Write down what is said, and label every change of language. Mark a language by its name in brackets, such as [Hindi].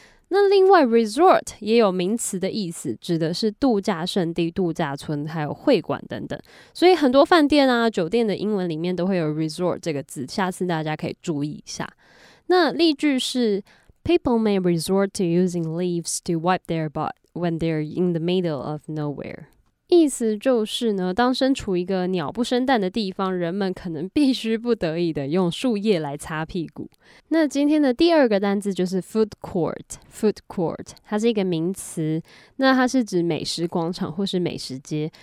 [Chinese] 那另外 resort 也有名词的意思，指的是度假胜地、度假村还有会馆等等，所以很多饭店啊、酒店的英文里面都会有 resort 这个字，下次大家可以注意一下。那例句是 [English] People may resort to using leaves to wipe their butt， when they're in the middle of nowhere. [Chinese] 意思就是呢，当身处一个鸟不生蛋的地方，人们可能必须不得已的用树叶来擦屁股。那今天的第二个单字就是 food court， food court， 它是一个名词，那它是指美食广场或是美食街。